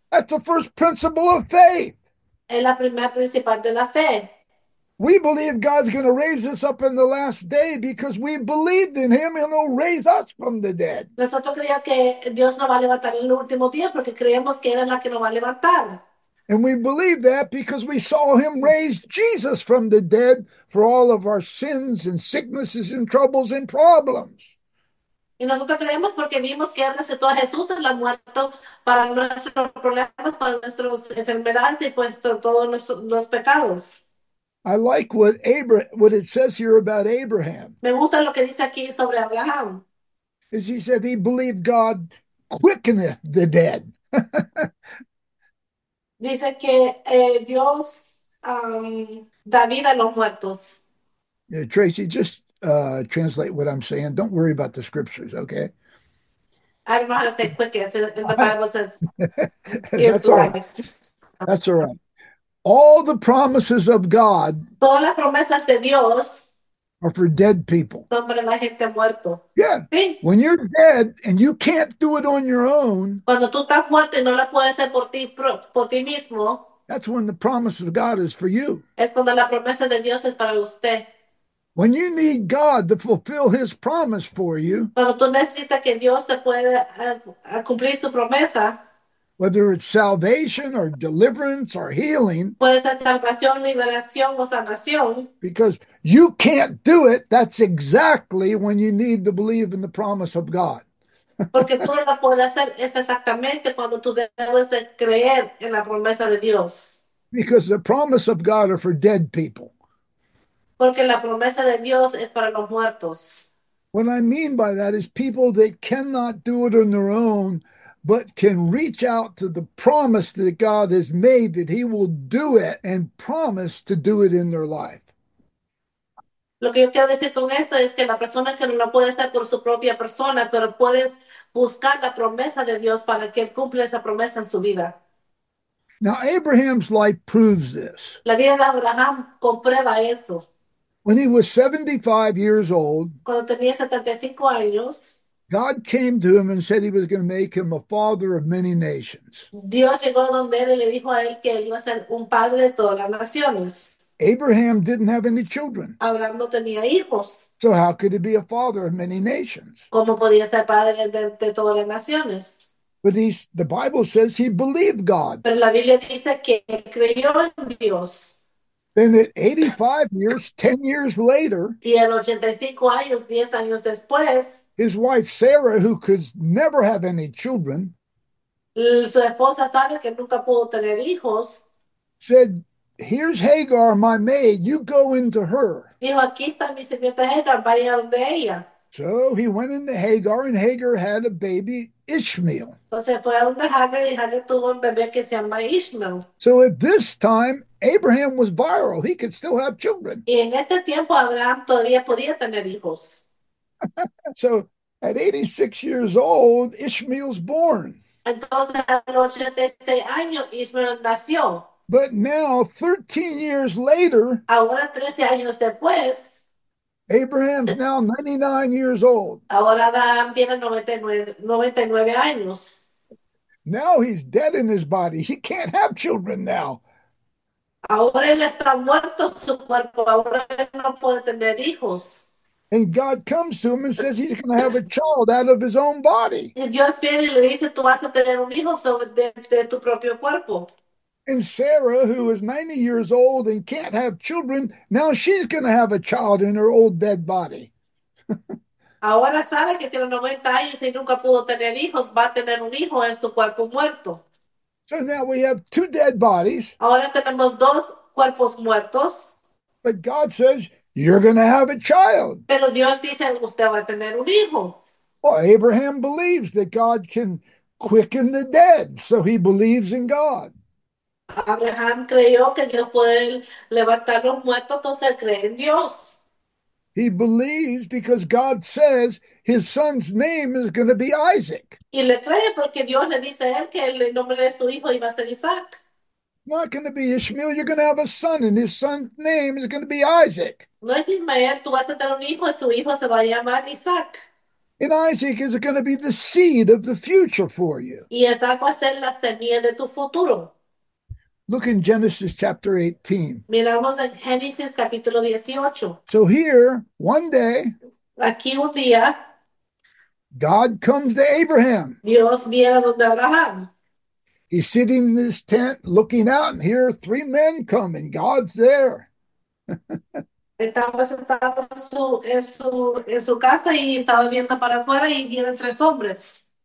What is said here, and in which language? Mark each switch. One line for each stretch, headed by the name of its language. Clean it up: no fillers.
English: That's the first principle of faith.
Spanish: Es la primera principal de la fe.
English: We believe God's going to raise us up in the last day because we believed in him and he'll raise us from the dead.
Spanish: Nosotros creemos que Dios nos va a levantar en el último día porque creemos que era la que nos va a levantar.
English: And we believe that because we saw him raise Jesus from the dead for all of our sins and sicknesses and troubles and problems.
Spanish: Y nosotros creemos porque vimos que Él resucitó a Jesús de la muerte para nuestros problemas, para nuestras enfermedades y pues todos los pecados.
English: I like what it says here about Abraham.
Spanish: Me gusta lo que dice aquí sobre Abraham.
English: As he said, he believed God quickeneth the dead.
Spanish: Dice que Dios da vida a los muertos.
English: Yeah, Tracy, just translate what I'm saying. Don't worry about the scriptures, okay? I don't know how to say it quickly. The Bible says, gives That's all right. life. That's all right. All the promises of God
Spanish: Todas las promesas de Dios
English: are for dead people.
Spanish: son para la gente muerta.
English: Yeah,
Spanish: Sí.
English: when you're dead and you can't do it on your own,
Spanish: Cuando tú estás muerto y no lo puedes hacer por ti mismo,
English: that's when the promise of God is for you.
Spanish: es cuando la promesa de Dios es para usted.
English: When you need God to fulfill his promise for you,
Spanish: Cuando tú necesitas que Dios te pueda a cumplir su promesa,
English: whether it's salvation or deliverance or healing,
Spanish: puede ser salvación, liberación o sanación.
English: because you can't do it, that's exactly when you need to believe in the promise of God.
Spanish: Porque tú no lo puedes hacer es exactamente cuando tú debes de creer en la promesa de Dios.
English: Because the promise of God are for dead people.
Spanish: Porque la promesa de Dios es para los muertos.
English: What I mean by that is people that cannot do it on their own, but can reach out to the promise that God has made that he will do it and promise to do it in their life.
Spanish: Lo que yo quiero decir con eso es que la persona que no puede ser por su propia persona, pero puedes buscar la promesa de Dios para que él cumpla esa promesa en su vida.
English: Now, Abraham's life proves this.
Spanish: La vida de Abraham comprueba eso.
English: When he was 75 years old,
Spanish: Cuando tenía 75 años,
English: God came to him and said he was going to make him a father of many nations.
Spanish: Dios llegó donde él y le dijo a él que él iba a ser un padre de todas las naciones.
English: Abraham didn't have any children.
Spanish: Abraham no tenía hijos.
English: So how could he be a father of many nations?
Spanish: ¿Cómo podía ser padre de todas las naciones?
English: But he's, the Bible says he believed God.
Spanish: Pero la Biblia dice que creyó en Dios.
English: Then at 85 years, 10 years later,
Spanish: Y en 85 años, 10 años después,
English: his wife Sarah, who could never have any children,
Spanish: su esposa Sara, que nunca pudo tener hijos,
English: said, "Here's Hagar, my maid, you go into her."
Spanish: dijo, aquí está mi sirvienta Hagar, vaya donde ella.
English: So he went into Hagar, and Hagar had a baby, Ishmael.
Spanish: Entonces fue a donde Hagar y Hagar tuvo un bebé que se llama Ishmael.
English: So at this time, Abraham was barren. He could still have children.
Spanish: Y en este tiempo Abraham todavía podía tener hijos.
English: So at 86 years old, Ishmael's born.
Spanish: Entonces a los 86 años Ishmael nació.
English: But now, 13 years later,
Spanish: Ahora, 13 años después,
English: Abraham's now 99 years old.
Spanish: ahora Adán tiene 99 años.
English: Now he's dead in his body. He can't have children now.
Spanish: Ahora él está muerto, su cuerpo, ahora él no puede tener hijos.
English: And God comes to him and says he's going to have a child out of his own body.
Spanish: Y Dios viene y le dice, tú vas a tener un hijo sobre de tu propio cuerpo.
English: And Sarah, who is 90 years old and can't have children, now she's going to have a child in her old dead body.
Spanish: Ahora Sara, que tiene 90 años y nunca pudo tener hijos, va a tener un hijo en su cuerpo muerto.
English: So now we have two dead bodies.
Spanish: Ahora tenemos dos cuerpos muertos.
English: But God says, you're going to have a child.
Spanish: Pero Dios dice, usted va a tener un hijo.
English: Well, Abraham believes that God can quicken the dead, so he believes in God.
Spanish: Abraham creyó que Dios puede levantar los muertos, entonces cree en Dios.
English: He believes because God says his son's name is going to be Isaac.
Spanish: Y le cree porque Dios le dice a él que el nombre de su hijo iba a ser Isaac.
English: Not going to be Ishmael, you're going to have a son, and his son's name is going to be Isaac.
Spanish: No es Ismael, tú vas a tener un hijo y su hijo se va a llamar Isaac.
English: And Isaac is going to be the seed of the future for you.
Spanish: Y Isaac va a ser la semilla de tu futuro.
English: Look in Genesis chapter 18.
Spanish: Miramos en Génesis capítulo 18.
English: So here, one day,
Spanish: Aquí un día.
English: God comes to Abraham.
Spanish: Dios viene a donde Abraham.
English: He's sitting in his tent looking out, and here three men come, and God's there.
Spanish: Estaba sentado en su casa y estaba viendo para afuera y vienen tres hombres.